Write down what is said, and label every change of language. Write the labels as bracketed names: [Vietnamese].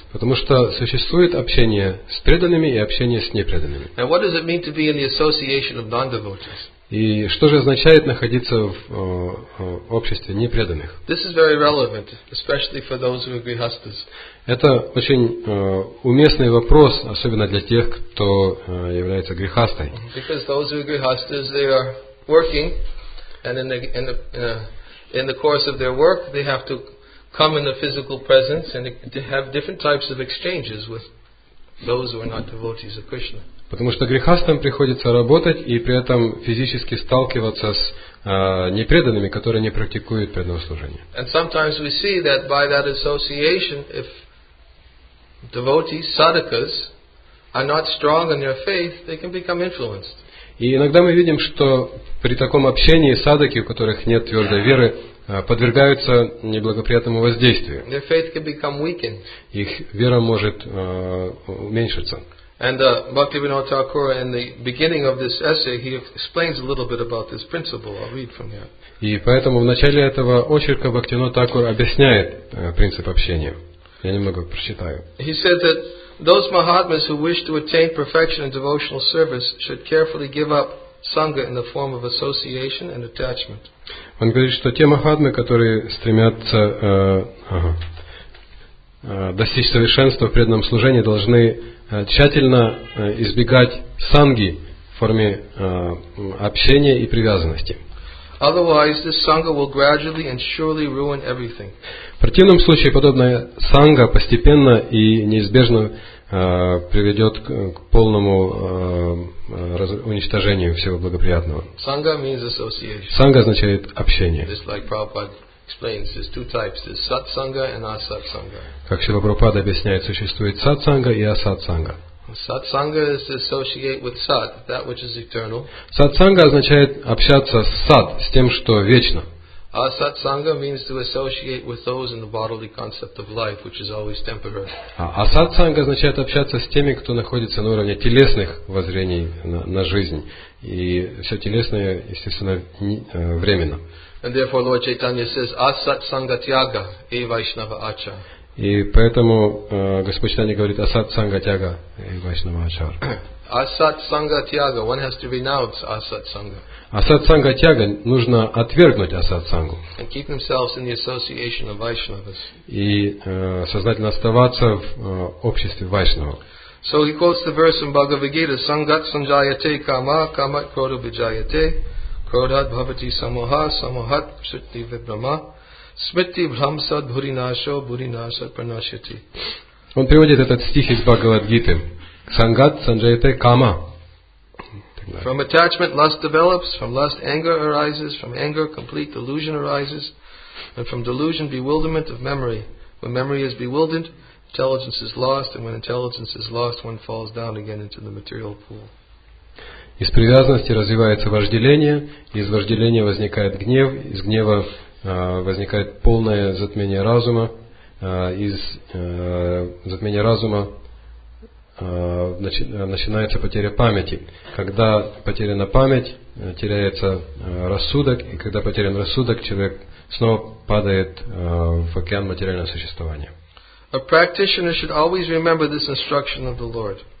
[Russian] Потому что существует общение с преданными и общение с непреданными. [English] And what does it mean to be in the association of non-devotees? [Russian] И что же означает находиться в обществе непреданных? [English] This is very relevant, especially for those who are grihasthas. [Russian] Это очень уместный вопрос, особенно для тех, кто является грихастой. [English] Because those who are grihasthas, they are working and in the course of their work, they have to come in the physical presence and to have different types of exchanges with those who are not devotees of Krishna. [Russian] Потому что грехастам приходится работать и при этом физически сталкиваться с непреданными, которые не практикуют преданного служения. [English] And sometimes we see that by that association, if devotees, sadhakas, are not strong in their faith, they can become influenced. [Russian] И иногда мы видим, что при таком общении садаки, у которых нет твердой веры, подвергаются неблагоприятному воздействию. [English] Their faith can become weakened. [Russian] Их вера может уменьшиться. [English] And Bhaktivinoda Thakur, in the beginning of this essay, he explains a little bit about this principle. I'll read from here. [Russian] И поэтому в начале этого очерка Бхактивинода Такур объясняет принцип общения. Я немного прочитаю. [English] He said that those Mahatmas who wish to attain perfection in devotional service should carefully give up Sangha in the form of association and attachment. [Russian] Он говорит, что те Mahatmы, которые стремятся достичь совершенства в преданном служении, должны тщательно избегать Санги в форме общения и привязанности. [English] Otherwise, this Sangha will gradually and surely ruin everything. [Russian] В противном случае, подобная Санга постепенно и неизбежно приведет к полному уничтожению всего благоприятного. [English] Sangha means association. [Russian] Sangha означает общение. [English] Just like Prabhupada explains, there's two types: there's satsanga and asatsanga. [Russian] Как Шрила Прабхупада объясняет, существует сатсанга и асатсанга. [English] Satsanga is to associate with sat, that which is eternal. [Russian] Сатсанга означает общаться с сат, с тем, что вечно. [English] Asatsanga means to associate with those in the bodily concept of life, which is always temporary. [Russian] Асатсанга означает общаться с теми, кто находится на уровне телесных воззрений на жизнь. И все телесное, естественно, временно. [English] And therefore Lord Chaitanya says, [Sanskrit] Asatsanga tyaga, e Vaishnava acha. [Russian] И поэтому Господь Читания говорит [Sanskrit] Асатсанга тяга и Вайшнава ачар. Асатсанга тяга, [English] one has to renounce асатсанга. [Sanskrit] Асатсанга тяга, [Russian] нужно отвергнуть асатсангу. [English] And keep themselves in the association of Vaishnavas. [Russian] И сознательно оставаться в обществе Вайшнава. [English] So he quotes the verse in Bhagavad Gita, [Sanskrit] Sangat Sanjayate Kama, Kamat Krodha Vijayate, Krodhat Bhavati Samoha, Samohat Shuddhi Vibrahma. Смерти брамсад бури нашо, бури наша приносите. [Russian] Он приводит этот стих из Бхагавад-гиты. [Sanskrit] Сангат санджайте кама. [English] From attachment lust develops, from lust anger arises, from anger complete delusion arises, and from delusion bewilderment of memory. When memory is bewildered, intelligence is lost, and when intelligence is lost, one falls down again into the material pool. [Russian] Из привязанности развивается вожделение, из вожделения возникает гнев, из гнева возникает полное затмение разума, из затмения разума начинается потеря памяти. Когда потеряна память, теряется рассудок, и когда потерян рассудок, человек снова падает в океан материального существования. [English] A practitioner should always remember this instruction of the Lord.